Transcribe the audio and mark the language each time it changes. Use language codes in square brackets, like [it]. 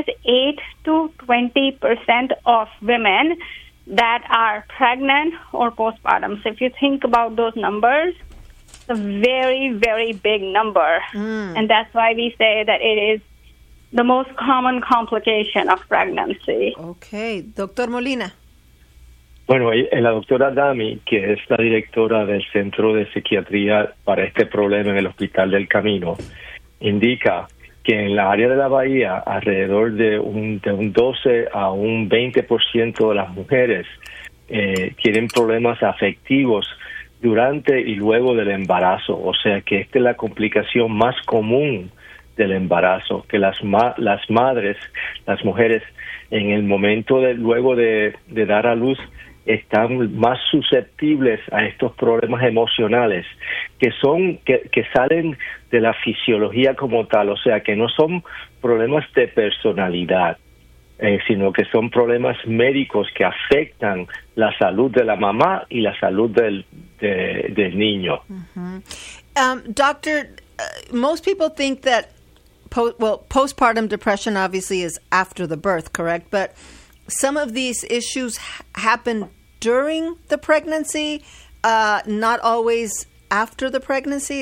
[en] It's 8 to 20% of women that are pregnant or postpartum. So if you think about those numbers, it's a very, very big number. Mm. And that's why we say that it is the most common complication of pregnancy. Okay. Doctor Molina. [es] Bueno, la doctora Dami, que es la directora del Centro de Psiquiatría para este problema en el Hospital del Camino, indica que en la área de la Bahía, alrededor de un 12 a un 20% de las mujeres tienen problemas afectivos durante y luego del embarazo. O sea que esta es la complicación más común del embarazo, que las mujeres, en el momento luego de dar a luz, están más susceptibles a estos problemas emocionales que salen de la fisiología como tal, o sea, que no son problemas de personalidad, sino que son problemas médicos que afectan la salud de la mamá y la salud del niño. Uh-huh. [en] Doctor, most people think that postpartum depression obviously is after the birth, correct? But some of these issues happen during the pregnancy, not always after the pregnancy.